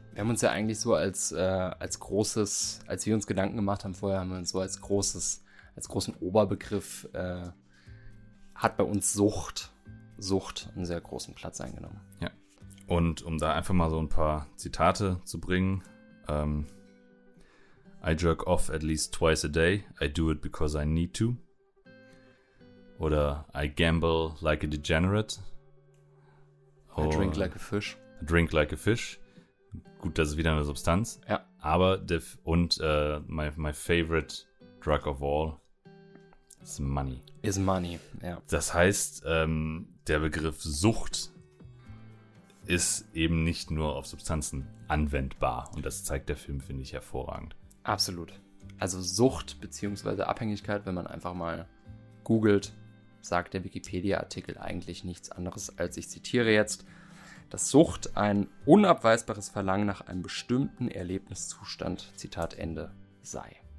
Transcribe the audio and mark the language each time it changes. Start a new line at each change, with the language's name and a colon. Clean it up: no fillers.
German: Wir haben uns ja eigentlich so als großes, als wir uns Gedanken gemacht haben vorher, haben wir uns so als großen Oberbegriff, hat bei uns Sucht einen sehr großen Platz eingenommen. Ja, und um da einfach mal so ein paar Zitate zu bringen...
English: I jerk off at least twice a day. I do it because I need to. Oder I gamble like a degenerate. Or, I drink like a fish. I drink like a fish.
German: Gut, das ist wieder eine Substanz. Ja.
English: Aber my favorite drug of all is money. Is money, ja.
German: Das heißt, der Begriff Sucht ist eben nicht nur auf Substanzen anwendbar. Und das zeigt der Film, finde ich, hervorragend. Absolut. Also Sucht bzw. Abhängigkeit, wenn man einfach mal googelt, sagt der Wikipedia-Artikel eigentlich nichts anderes, als ich zitiere jetzt, dass Sucht ein unabweisbares Verlangen nach einem bestimmten Erlebniszustand, Zitat Ende, sei.